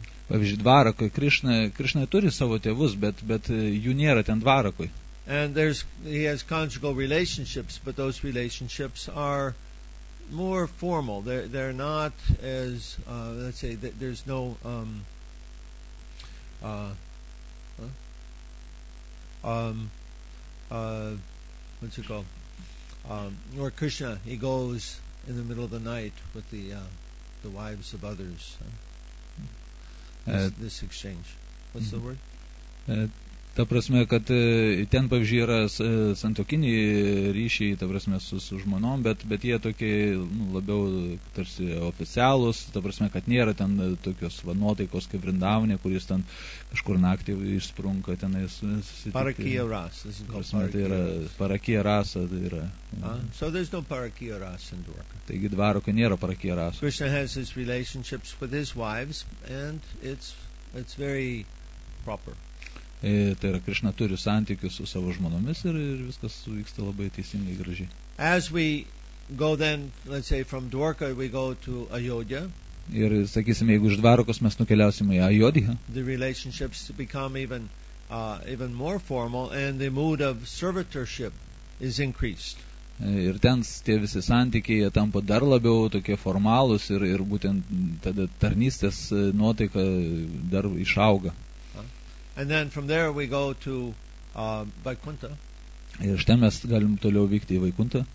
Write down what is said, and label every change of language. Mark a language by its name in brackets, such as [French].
[Lithuanian] Pavyzdžiui, Dvarakoj Krishna turi savo tėvus, bet jų nėra ten Dvarakoj. [English] And there's he has conjugal relationships, but those relationships are more formal. They're not as let's say there's no what's it called? Where Krishna he goes in the middle of the night with the wives of others. This exchange. What's the word? [Lithuanian] Ta prasme, kad ten, pavyzdžiui, yra santokiniai ryšiai, ta prasme, su žmonom, bet jie tokie labiau tarsi oficialūs, ta prasme, kad nėra ten tokios nuotaikos kaip Vrindavane, kuris ten kažkur naktį išsprunka ten. [Sanskrit] Parakija rasa. [Lithuanian] Tai yra parakija rasa. Tai yra. [English] So there's no parakija rasa in Dvarka. [Lithuanian] Taigi Dvarakoj nėra parakija rasa. [English] Krishna has his relationships with his wives and it's very proper. [Lithuanian] Tai yra, Krishna turi santykius su savo žmonomis ir viskas vyksta labai teisingai gražiai. [English] As we go then, let's say, from Dvarka, we go to Ayodhya. [Lithuanian] Ir, sakysime, jeigu iš Dvarkos mes nukeliausime į Ayodhya. [English] The relationships become even more formal and the mood of servitorship is increased. [Lithuanian] Ir ten tie visi santykiai jie tampa dar labiau tokie formalūs ir būtent tada tarnystės nuotaika dar išauga. [English] And then from there we go to Vaikuntha. [Lithuanian] Ir štai mes galim toliau vykti į Vaikuntą.